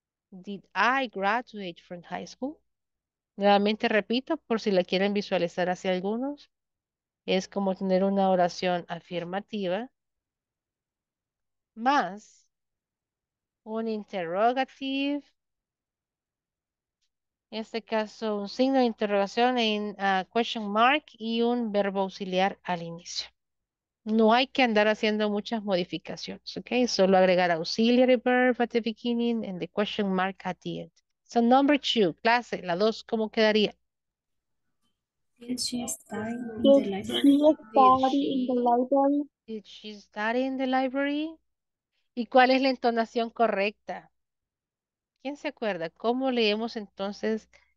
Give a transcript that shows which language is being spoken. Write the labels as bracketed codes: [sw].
[en] Did I graduate from high school? [es] Nuevamente repito, por si la quieren visualizar hacia algunos, es como tener una oración afirmativa más un interrogative, en este caso un signo de interrogación en question mark y un verbo auxiliar al inicio. No hay que andar haciendo muchas modificaciones, ¿ok? Solo agregar [en] auxiliary verb at the beginning and the question mark at the end. So, number two, [es] clase, la dos, ¿cómo quedaría? [en] Did she study in the library? Did she study in the library? [es] ¿Y cuál es la entonación correcta? ¿Quién se acuerda? ¿Cómo leemos entonces?